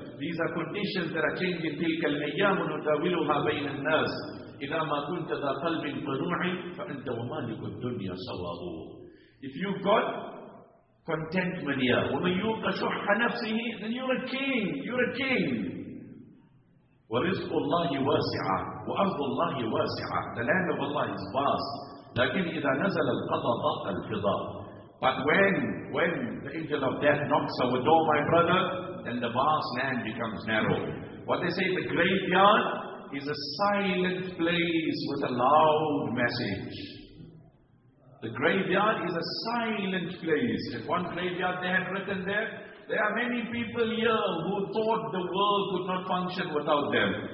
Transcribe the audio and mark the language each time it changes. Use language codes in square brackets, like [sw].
[en] These are conditions that are changing. [ar] تِلْكَ الْأَيَّامُ نُدَاوِلُهَا بَيْنَ النَّاسِ. إِذَا مَا كُنْتَ ذَا قَلْبٍ قَنُوعٍ فَأَنْتَ وَمَالِكُ الدُّنْيَا سَوَاهُ. [en] If you've got contentment here, [ar] وَمَنْ يُوقَ شُحَّ نَفْسِهِ, [en] then you're a king, you're a king. [ar] وَرِزْقُ اللَّهِ وَاسِعًا وَأَرْضُ اللَّهِ وَاسِعًا. [en] The land of Allah is vast. [ar] لَكِنْ إِذَا نَزَلَ الْقَضَى ضَاقَ الْفِضَاءُ. [en] But when the angel of death knocks our door, my brother, then the vast land becomes narrow. What they say, the graveyard is a silent place with a loud message. The graveyard is a silent place. If one graveyard they had written there, there are many people here who thought the world could not function without them.